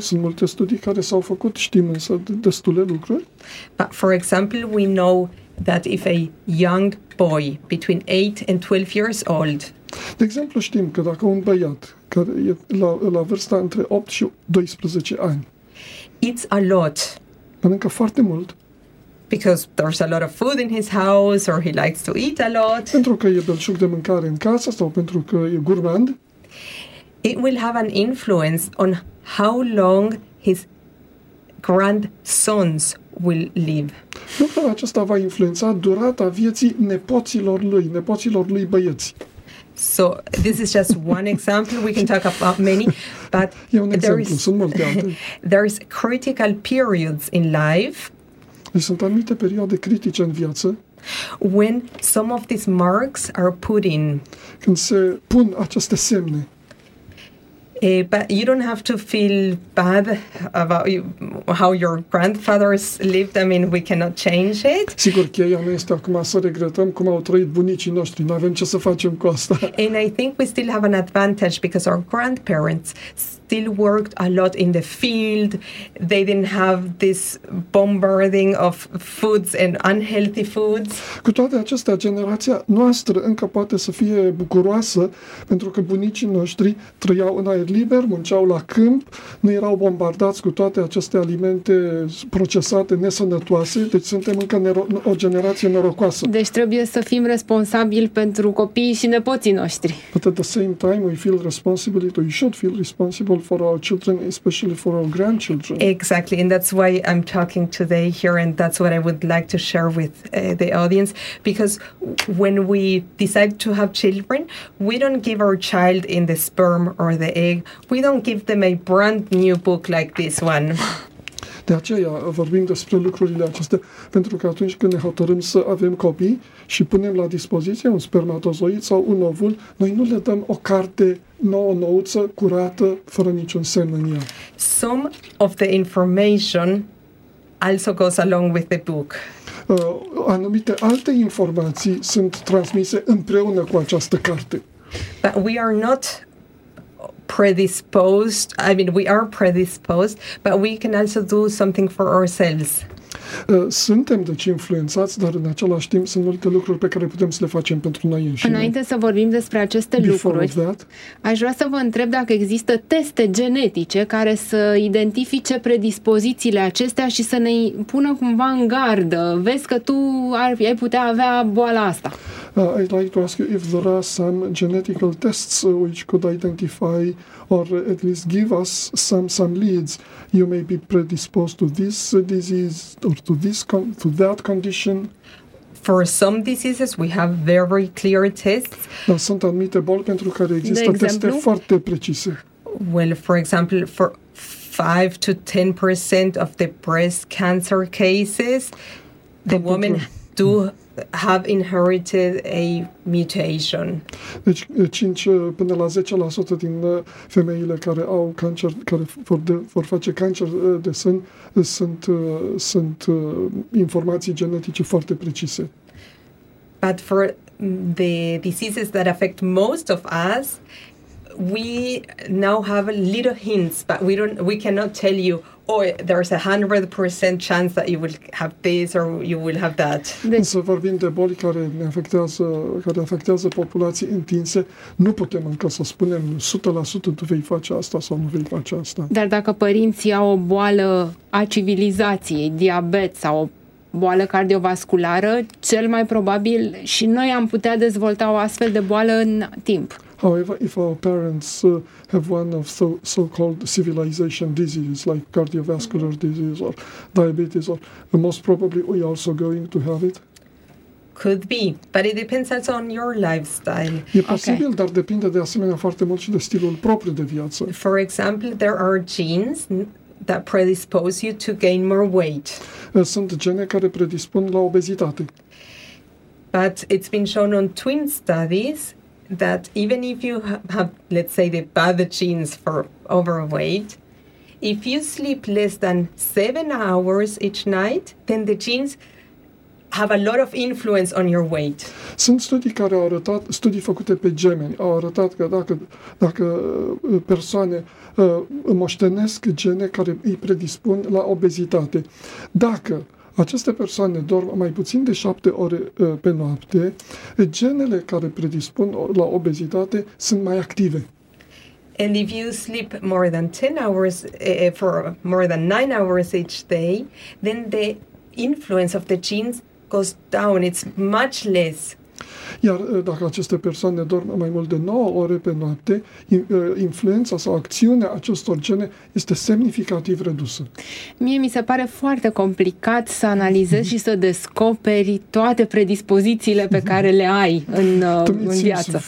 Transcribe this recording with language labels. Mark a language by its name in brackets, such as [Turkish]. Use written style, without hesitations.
[Romanian] Sunt multe studii care s-au făcut. Știm însă destule lucruri. [English] But for example, we know that if a young boy between 8 and 12 years old... [Romanian] De exemplu, știm că dacă un băiat care e la vârsta între 8 și 12 ani... [English] It's a lot. [Romanian] Mănâncă foarte mult. [English] Because there's a lot of food in his house, or he likes to eat a lot. [Romanian] Pentru că e belșug de mâncare în casă sau pentru că e gurmand. [English] It will have an influence on how long his grandsons will live. [Romanian] Lucrul acesta va influența durata vieții nepoților lui băieți. [English] So this is just one example. We can talk about many, but there is critical periods in life. [Romanian] Sunt anumite perioade critice în viață. [English] When some of these marks are put in. [Romanian] Când se pun aceste semne. [English] But you don't have to feel bad about how your grandfathers lived. I mean, we cannot change it. [Romanian] Sigur, cheia nu este acum să regretăm cum au trăit bunicii noștri. Nu avem ce să facem cu asta. [English] And I think we still have an advantage because our grandparents still worked a lot in the field. They didn't have this bombarding of foods and unhealthy foods. [Romanian] Cu toate acestea, generația noastră încă poate să fie bucuroasă pentru că bunicii noștri trăiau în aer liber, munceau la câmp, nu erau bombardați cu toate aceste alimente procesate, nesănătoase, deci suntem încă o generație norocoasă. Deci trebuie să fim responsabili pentru copiii și nepoții noștri. [English] But at the same time, we should feel responsible for our children, especially for our grandchildren. Exactly, and that's why I'm talking today here, and that's what I would like to share with the audience, because when we decide to have children, we don't give our child in the sperm or the egg, we don't give them a brand new book like this one. [Romanian] De aceea vorbim despre lucrurile acestea, pentru că atunci când ne hotărâm să avem copii și punem la dispoziție un spermatozoid sau un ovul, noi nu le dăm o carte nouă, nouță, curată, fără niciun semn în ea. [English] Some of the information also goes along with the book. [Romanian] Anumite alte informații sunt transmise împreună cu această carte. [English] But we are not predisposed. I mean, we are predisposed, but we can also do something for ourselves. [Romanian] Suntem deci influențați, dar în același timp sunt multe lucruri pe care putem să le facem pentru noi înșine. Înainte să vorbim despre aceste lucruri, aș vrea să vă întreb dacă există teste genetice care să identifice predispozițiile acestea și să ne pună cumva în gardă. Vezi că tu ai putea avea boala asta. [English] I'd like to ask you if there are some genetical tests which could identify or at least give us some leads. You may be predisposed to this disease or to that condition. For some diseases, we have very clear tests. [Romanian] Dar sunt anumite boli pentru care există teste foarte precise. [English] Well, for example, for 5-10% of the breast cancer cases, the woman do have inherited a mutation. [Romanian] Deci 5 până la 10% din femeile care au cancer, care vor face cancer de sân, sunt informații genetice foarte precise. [English] But for the diseases that affect most of us, we now have little hints, but we cannot tell you, oh, there's 100% chance that you will have this or you will have that. [Romanian] Însă vorbim de boli care afectează populații întinse, nu putem încă să spunem 100% tu vei face asta sau nu vei face asta. Dar dacă părinții au o boală a civilizației, diabet sau boală cardiovasculară, cel mai probabil și noi am putea dezvolta o astfel de boală în timp. [English] However, if our parents have one of so-called civilization diseases, like cardiovascular disease or diabetes, or most probably we are also going to have it. Could be, but it depends also on your lifestyle. [Romanian] E posibil, okay. Dar depinde de asemenea foarte mult și de stilul propriu de viață. [English] For example, there are genes that predispose you to gain more weight. [Romanian] Sunt gene care predispun la obezitate. [English] But it's been shown on twin studies that even if you have, let's say, the bad genes for overweight, if you sleep less than 7 hours each night, then the genes have a lot of influence on your weight. [Romanian] Sunt studii care au arătat, studii făcute pe gemeni, au arătat că dacă persoane moștenesc gene care îi predispun la obezitate, dacă aceste persoane dorm mai puțin de 7 ore pe noapte, genele care predispun la obezitate sunt mai active. [English] And if you sleep more than 10 hours, for more than 9 hours each day, then the influence of the genes goes down. It's much less. [Romanian] Iar dacă aceste persoane dorm mai mult de 9 ore pe noapte, influența sau acțiunea acestor gene este semnificativ redusă. Mie mi se pare foarte complicat să analizez și să descoperi toate predispozițiile pe care le ai în viață.